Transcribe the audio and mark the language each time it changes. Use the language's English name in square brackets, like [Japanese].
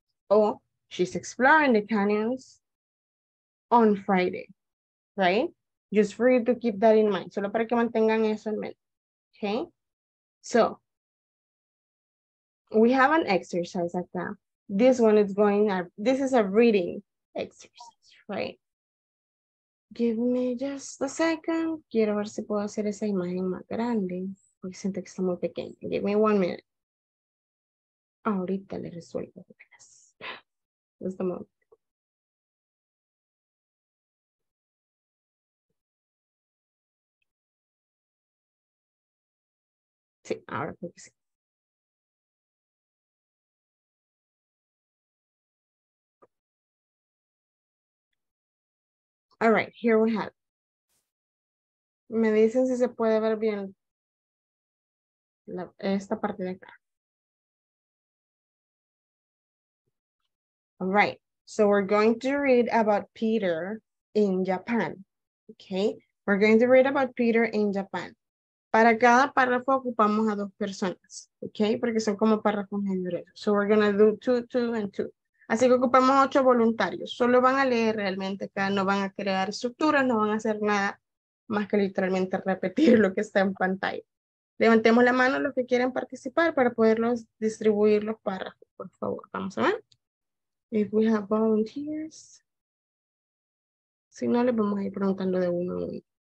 [English] O, she's exploring the canyons on Friday, right? Just for you to keep that in mind. [Spanish] Solo para que mantengan eso en mente, okay? [English] So, we have an exercise like that. This one is going up. This is a reading exercise, right? Give me just a second. [Spanish] Quiero ver si puedo hacer esa imagen más grande. Porque siento que está muy pequeña. [English] Give me 1 minute. [Spanish] Ahorita le resuelvo. [English] Just a moment. [Spanish] Sí, ahora creo que sí. [English] All right, here we have. [Spanish] Me dicen si se puede ver bien esta parte de acá. [English] All right, so we're going to read about Peter in Japan. Okay, we're going to read about Peter in Japan. [Spanish] Para cada párrafo ocupamos a dos personas. [English] Okay, [Spanish] porque son como párrafos generales. [English] So we're going to do two, two, and two. [Spanish] Así que ocupamos 8 voluntarios. Solo van a leer realmente acá, no van a crear estructuras, no van a hacer nada más que literalmente repetir lo que está en pantalla. Levantemos la mano los que quieren participar para poderlos distribuir los párrafos, por favor. Vamos a ver. [English] If we have volunteers. [Spanish] Si no, les vamos a ir preguntando de uno a uno.